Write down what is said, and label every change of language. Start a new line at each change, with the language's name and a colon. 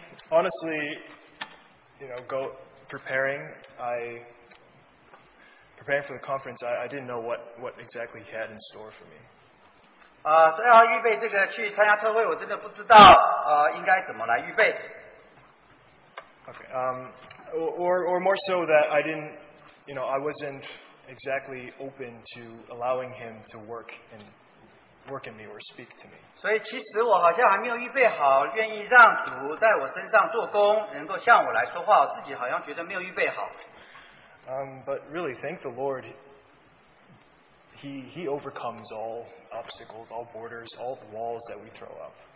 English: Honestly, you know, preparing for the conference, I didn't know what exactly he had in store for me.
Chinese: 要预备这个去参加特会，我真的不知道应该怎么来预备。
English: Okay. Or more so that I didn't, you know, I wasn't exactly open to allowing him to work in me or speak to me.
Chinese: 所以其实我好像还没有预备好，愿意让主在我身上做工，能够向我来说话，我自己好像觉得没有预备好。
English: But really, thank the Lord, He overcomes all obstacles, all borders, all the walls that we throw up.